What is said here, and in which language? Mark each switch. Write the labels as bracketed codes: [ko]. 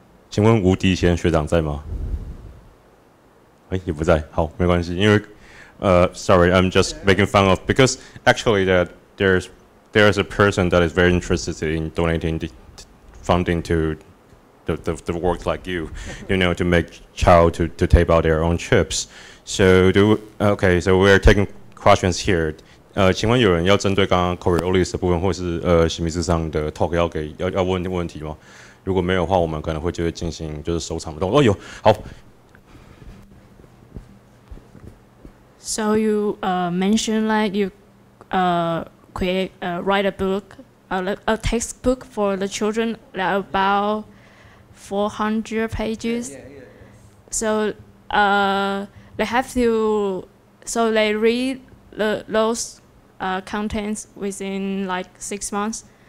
[zh] 请问吴迪贤学长在吗？哎，也不在。好，没关系。因为， [en] sorry, I'm just making fun of because actually that there's a person that is very interested in donating the funding to the work like you, you know, to make child to tape out their own chips. So so we're taking questions here. [zh] 请问有人要针对刚刚 Coriolis 的部分，或是史密斯上的 talk 要给要问问题吗？如果没有的话，我们可能会就会进行就是收藏的动作。哦，有好。 [en] So you mentioned like you write a book, a textbook for the children like about 400 pages. So they read those contents within like 6 months.